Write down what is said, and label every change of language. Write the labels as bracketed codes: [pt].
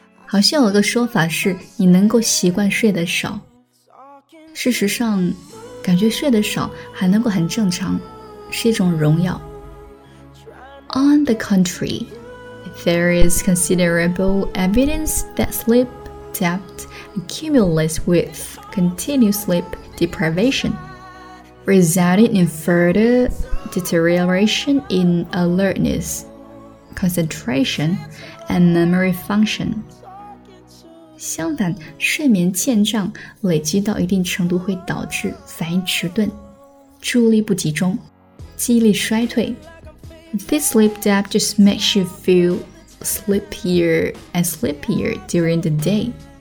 [zh] 好像有个说法是你能够习惯睡得少，事实上感觉睡得少还能够很正常是一种荣耀。 [en] On the contrary, there is considerable evidence that sleep depth accumulates with continued sleep deprivation, resulting in further deterioration in alertness, concentration, and memory function. [zh] 相反，睡眠欠账累积到一定程度会导致反应迟钝、注意力不集中、记忆力衰退。 [en] This sleep depth just makes you feel sleepier and sleepier during the day.